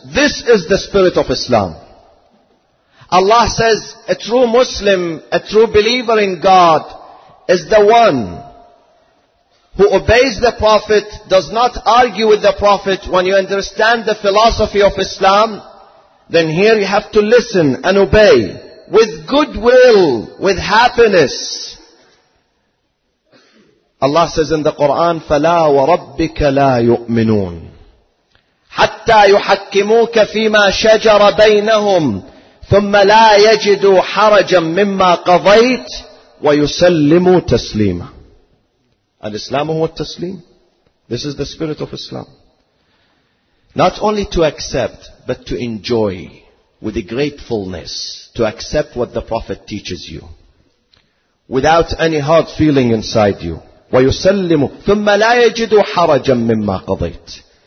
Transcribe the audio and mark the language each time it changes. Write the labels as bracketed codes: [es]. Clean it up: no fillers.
[en] This is the spirit of Islam. Allah says, a true Muslim, a true believer in God, is the one who obeys the Prophet, does not argue with the Prophet. When you understand the philosophy of Islam, then here you have to listen and obey with goodwill, with happiness. Allah says in the Quran, [ar] فَلَا وَرَبِّكَ لَا يُؤْمِنُونَ حَتَّى يُحَكِّمُوكَ فِي مَا شَجَرَ بَيْنَهُمْ ثُمَّ لَا يَجِدُوا حَرَجًا مِمَّا قَضَيْتْ وَيُسَلِّمُوا تَسْلِيمًا. Al-Islam huwa al-Taslim. [en] This is the spirit of Islam. Not only to accept, but to enjoy with a gratefulness, to accept what the Prophet teaches you without any hard feeling inside you. [ar] وَيُسَلِّمُوا ثُمَّ لَا يَجِدُوا حَرَجًا مِمَّا قَضَيْتْ.